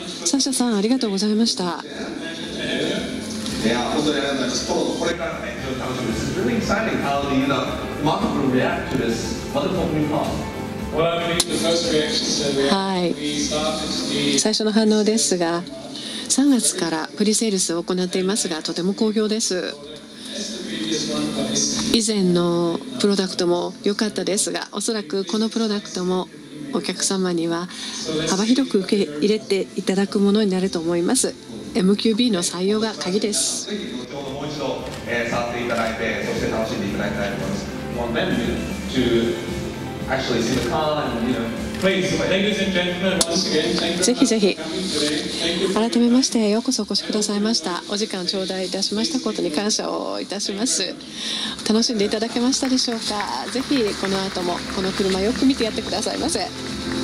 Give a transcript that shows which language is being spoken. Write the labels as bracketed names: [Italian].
[Japanese] サシャさん、ありがとうございました。いや、本当にありがとうございます。ポロのこれからね、非常に楽しみです。 [English] It's really exciting how the, you know, market will react to this wonderful new car。 [Japanese] はい、最初の反応ですが、3月からプリセールスを行っていますが、とても好評です。以前のプロダクトも良かったですが、おそらくこのプロダクトもお客様には幅広く受け入れていただくものになると思います。 MQB の採用が鍵です。ぜひ後ほどもう一度、触っていただいて、そして楽しんでいただきたいと思います。 [English] One then to actually see the car and, you know. [Japanese] ぜひぜひ。改めまして、ようこそお越しくださいました。お時間を頂戴いたしましたことに感謝をいたします。楽しんでいただけましたでしょうか。ぜひこの後もこの車よく見てやってくださいませ。